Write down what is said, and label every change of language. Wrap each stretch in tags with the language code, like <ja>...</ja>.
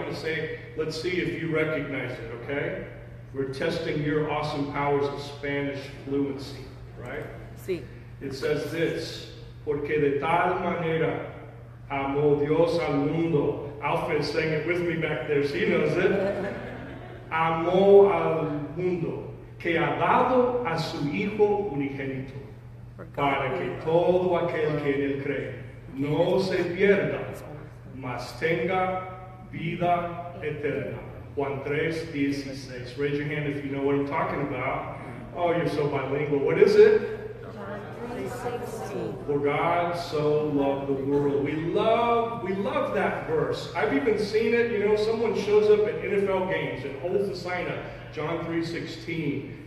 <en>I'm going to say, let's see if you recognize it, okay? We're testing your awesome powers of Spanish fluency, right?</en> <es>Sí.</es> <en>It says this,</en> <es>porque de tal manera amó Dios al mundo.</es> <en>Alfred sang it with me back there, so he knows it.</en> <es>Amó al mundo, que ha dado a su hijo unigénito, para que todo aquel que en él cree no se pierda, mas tenga vida eterna. Juan 3:16.</es> <en>Raise your hand if you know what I'm talking about. Oh, you're so bilingual. What is it? John 3:16. For God so loved the world. We love that verse. I've even seen it. You know, someone shows up at NFL games and holds the sign up, John 3:16.</en>